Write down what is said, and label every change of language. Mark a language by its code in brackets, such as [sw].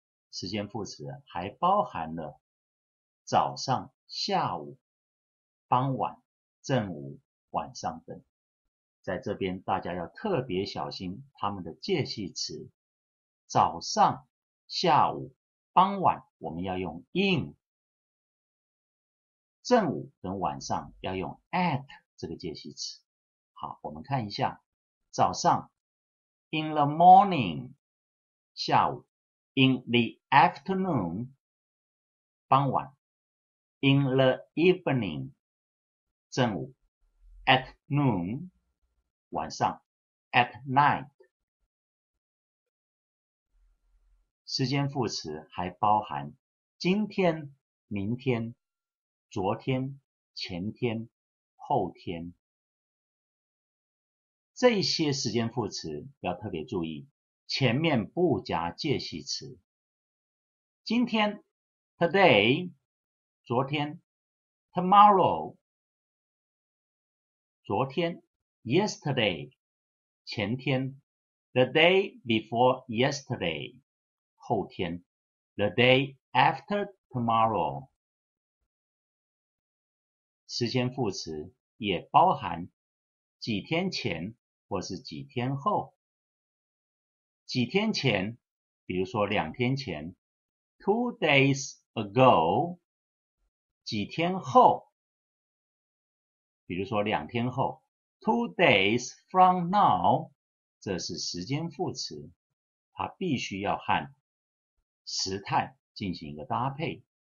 [zh] 时间副词还包含了早上、下午、傍晚、正午、晚上等，在这边大家要特别小心它们的介系词。早上、下午、傍晚我们要用 in， 正午跟晚上要用 at 这个介系词。好，我们看一下早上 [en] In the morning, 下午。 In the afternoon, 傍晚。 In the evening, 正午。 At noon, 晚上。At night. [zh] 时间副词还包含今天、明天、昨天、前天、后天。这些时间副词要特别注意，前面不加介系词。今天 today， 昨天 tomorrow， 昨天 yesterday， 前天 [en] the day before yesterday， [zh] 后天 [en] the day after tomorrow。 [zh] 时间副词也包含几天前或是几天后。几天前，比如说两天前， [en] 2 days ago， [zh] 几天后，比如说两天后， [en] 2 days from now， [zh] 这是时间副词，它必须要和时态进行一个搭配。